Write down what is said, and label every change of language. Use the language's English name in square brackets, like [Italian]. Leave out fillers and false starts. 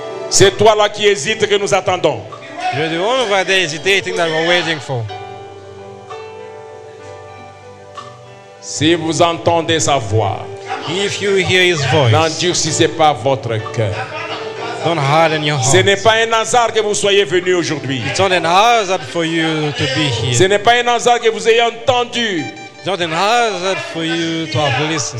[French] C'est toi là qui hésites que nous attendons. [English] You're the one over there hesitating that we're waiting for. [French] Si vous entendez sa voix. [English] If you hear his voice. [French] N'endurcissez pas votre cœur. [English] Don't harden your heart. [French] Ce n'est pas un hasard que vous soyez venu aujourd'hui. [English] It's not an hazard for you to be here. [French] Ce n'est pas un hasard que vous ayez entendu. [English] It's not an hazard for you to have listened.